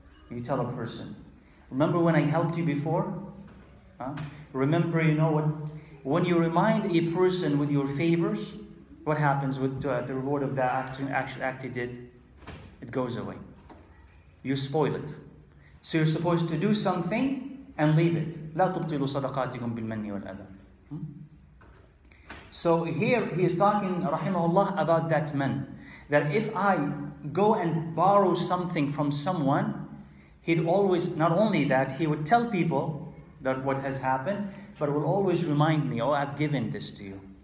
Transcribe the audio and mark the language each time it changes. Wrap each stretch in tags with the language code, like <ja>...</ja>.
<en>You tell a person, remember when I helped you before? Remember, you know what, when you remind a person with your favors, what happens with the reward of that act he did? It goes away. You spoil it. So you're supposed to do something and leave it.</en> <ar>لا تبطلوا صدقاتكم بالمن والأذى.</ar> <en>So here he is talking, rahimahullah, about that man. That if I go and borrow something from someone, he'd always, not only that, he would tell people that what has happened, but will always remind me, oh, I've given this to you.</en>